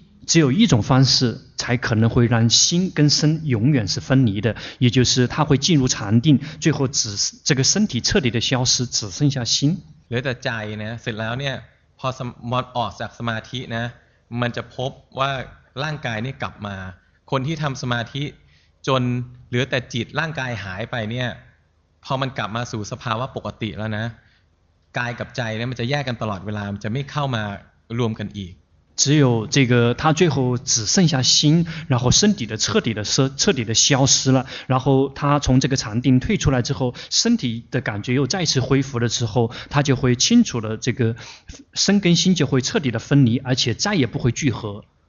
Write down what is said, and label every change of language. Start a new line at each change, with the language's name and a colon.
Chinese: 只有一种方式才可能会让心跟身永远是分离的也就是它会进入禅定最后只这个身体彻底的消失只剩下心
Thai: เหลือแต่ใจนะเสร็จแล้วเนี่ยพอสมอดออกจากสมาธินะมันจะพบว่าร่างกายเนี่ยกลับมาคนที่ทำสมาธิจนเหลือแต่จิตร่างกายหายไปเนี่ยพอมันกลับมาสู่สภาวะปกติแล้วนะกายกับใจเนี่ยมันจะแยกกันตลอดเวลามันจะไม่เข้ามารวมกันอีก
Chinese: 只有这个他最后只剩下心然后身体的彻底的彻底的消失了然后他从这个禅定退出来之后身体的感觉又再次恢复了之后他就会清楚了这个身跟心就会彻底的分离而且再也不会聚合